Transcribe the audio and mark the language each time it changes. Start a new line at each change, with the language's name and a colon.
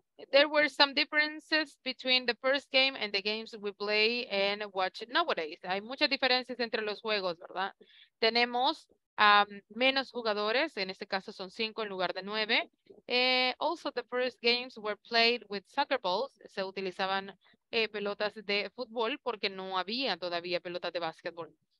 English: There were some differences between the first game and the games we play and watch nowadays.
Spanish: Hay muchas diferencias entre los juegos, ¿verdad? Tenemos menos jugadores, en este caso son 5 en lugar de 9.
English: Also, the first games were played with soccer balls.
Spanish: Se utilizaban pelotas de fútbol porque no había todavía pelotas de básquetbol.